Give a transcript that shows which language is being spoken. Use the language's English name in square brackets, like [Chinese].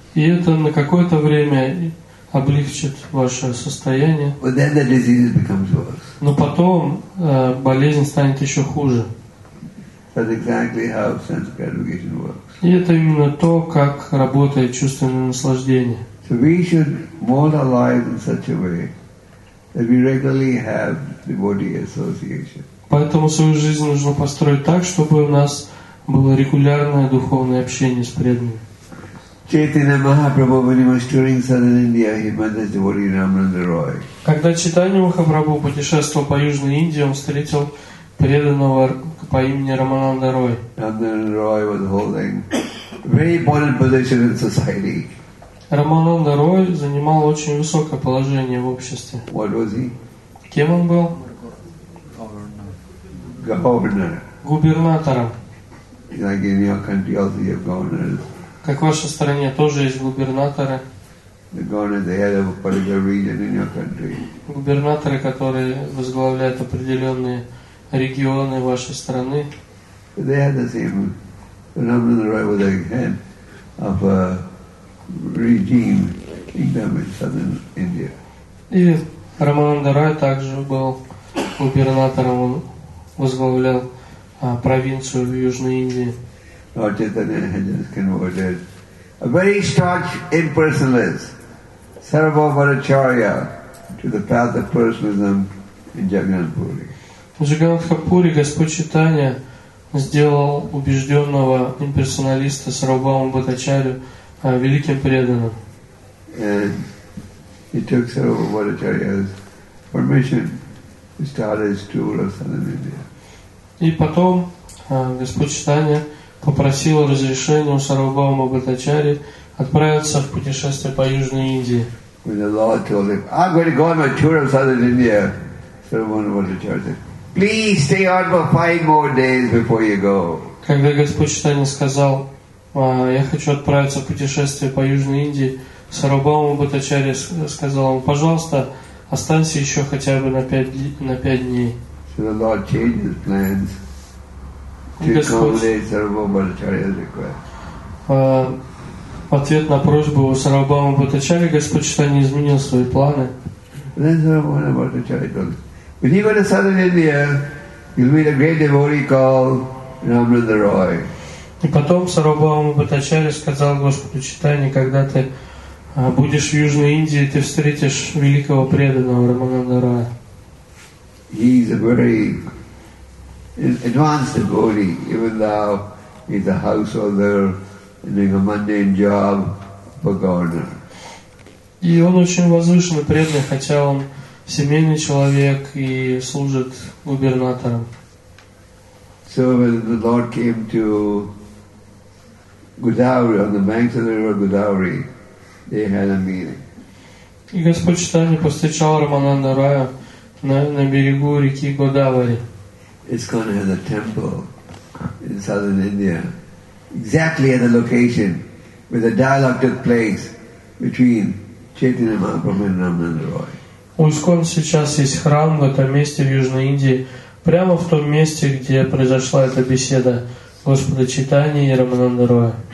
[Russian] И это на какое-то время облегчит ваше состояние. [English] But then the disease becomes worse. [Russian] Но потом болезнь станет еще хуже. [English] That's exactly how sense gratification works. [Russian] И это именно то, как работает чувственное наслаждение. [English] So we should mold our lives in such a way that we regularly have devotee association. [Russian] Поэтому свою жизнь нужно построить так, чтобы у нас было регулярное духовное общение с преданными. [English] Chaitanya Mahaprabhu, when he was touring southern India, he met the devotee Ramananda Roy. [Russian] Когда Чайтанья Махапрабху путешествовал по Южной Индии, он встретил преданного по имени Рамананда Рой. [English] Ramananda Roy was holding a very important position in society. [Russian] Рамананда Рой занимал очень высокое положение в обществе. [English] What was he? [Russian] Кем он был? [English] Governor. [Russian] Губернатором. [English] Like in your country, also you have governors. [Russian] Как в вашей стране тоже есть губернаторы. [English] The governor is the head of a particular region in your country. [Russian] Губернаторы, которые возглавляют определенные регионы вашей страны. [English] They had the same. Ramananda Roy was the head of a regime kingdom in southern India. [Russian] И Рамананда Рой также был губернатором, он возглавлял провинцию в Южной Индии. [English] Lord Chaitanya had just converted a very staunch impersonalist, Sarva Bharacharya, to the path of personalism in Jagannath Puri. [Russian] Jagannath Puri, Господь Чайтанья сделал убежденного имперсоналиста Сарва Бхатачарью великим преданным. [English] And he took Sarva Bharacharya's permission to start his tour of southern India. [Russian] И потом Господь Чайтанья попросил разрешения у Сарвабхаума Бхаттачари отправиться в путешествие по Южной Индии. [English] When the Lord told him, I'm going to go on my tour of southern India, Сарвабхаума Бхаттачари said, please stay on for 5 more days before you go. [Russian] Когда Господь Чайтанья сказал, я хочу отправиться в путешествие по Южной Индии, Сарвабхаума Бхаттачари сказал ему, пожалуйста, останься еще хотя бы на пять дней. [English] So the Lord changed his plans to accommodate Sarva Bhattacharya's request. [Russian] В ответ на просьбу Сарвабхаума Бхаттачарьи Господь Чайтанья изменил свои планы. [English] Then Sarvabhauma Bhattacharya told him, when you go to southern India, you'll meet a great devotee called Ramananda Roy. [Russian] И потом Сарвабхаума Бхаттачарья сказал Господу Чайтанье, когда ты будешь в Южной Индии, ты встретишь великого преданного Рамананда Роя. [English] He's a very advanced devotee, even though he's a householder doing a mundane job for governor. [Russian] И он очень возвышенный преданный, хотя он семейный человек и служит губернатором. [English] So when the Lord came to Godavari, on the banks of the river Godavari, they had a meeting. [Russian] И Господь Чайтанья повстречал Рамананда Роя на берегу реки Годавари. [English] ISKCON has a temple in southern India, exactly at the location where the dialogue took place between Chaitanya Mahaprabhu and Ramananda Roy. [Russian] ISKCON сейчас есть храм в этом месте в Южной Индии, прямо в том месте, где произошла эта беседа Господа Чайтаньи и Рамананда Роя.